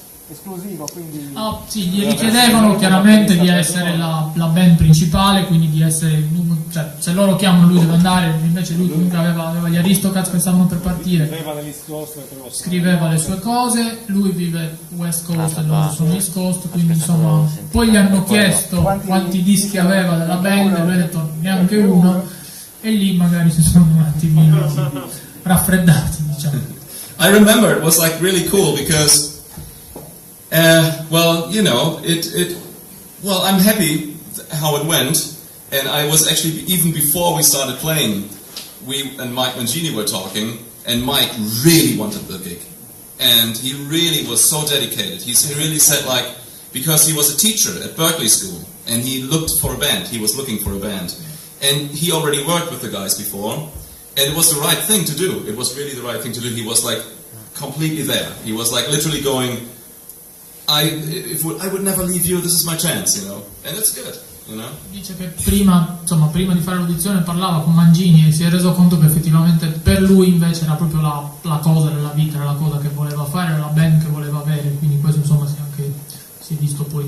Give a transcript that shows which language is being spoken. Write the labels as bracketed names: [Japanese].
[Italian] Esclusivo, quindi. Oh, sì, gli richiedevano chiaramente di essere la band principale, quindi di essere, cioè, se loro chiamano lui deve andare, invece lui comunque aveva gli Aristocats che stavano per partire, scriveva le sue cose, lui vive West Coast e loro sono East Coast, quindi insomma, poi gli hanno chiesto quanti dischi aveva della band, lui ha detto neanche uno, e lì magari si sono un attimino raffreddati, diciamo. [English] I remember, it was like really cool, because well, you know, well, I'm happy how it went, and I was actually, even before we started playing, we and Mike Mangini were talking, and Mike really wanted the gig, and he really was so dedicated. He really said, like, because he was a teacher at Berklee School, and he looked for a band, he was looking for a band, and he already worked with the guys before, and it was the right thing to do, it was really the right thing to do. He was, like, completely there, he was, like, literally going, I would never leave you, this is my chance, you know, and it's good, you know. [Italian] Dice che prima, insomma, prima di fare l'audizione parlava con Mangini e si è reso conto che effettivamente per lui invece era proprio la cosa della vita, era la cosa che voleva fare, era la band che voleva avere, quindi questo insomma si è visto poi.